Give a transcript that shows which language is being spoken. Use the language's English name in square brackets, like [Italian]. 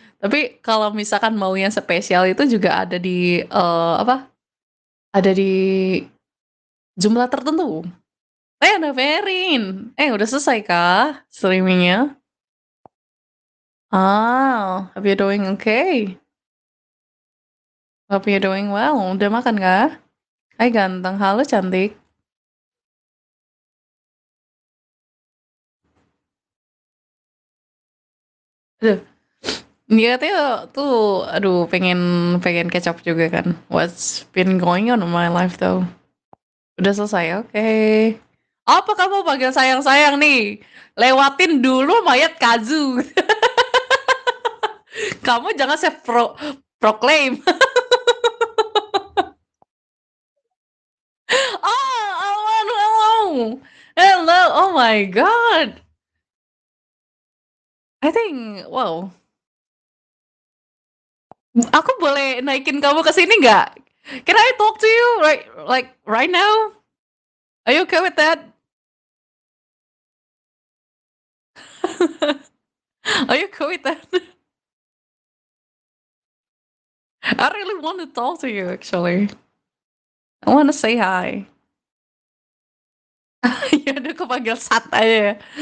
[Indonesian] Tapi kalau misalkan mau yang spesial itu juga ada di apa? Ada di jumlah tertentu. Eh, udah Verin. Eh, udah selesai kah streamingnya? [English] Ah, hope you're doing okay. Hope you're doing well. [Indonesian] Udah makan kah? Hai ganteng, halo cantik. Aduh. Dia katanya tuh, aduh, pengen pengen [English] catch up [Indonesian] juga kan. [English] What's been going on in my life though? [Indonesian] Udah selesai, oke. Okay. Apa kamu panggil sayang-sayang nih? Lewatin dulu mayat Kazu. Kamu jangan saya proclaim. [English] Oh, hello. Hello, oh my god. I think, wow. [Indonesian] Aku boleh naikin kamu ke sini enggak? [English] Can I talk to you right now? Are you okay with that? Are you okay with that? I really want to talk to you actually. I want to say hi. [Indonesian] Ya udah aku panggil Sat aja.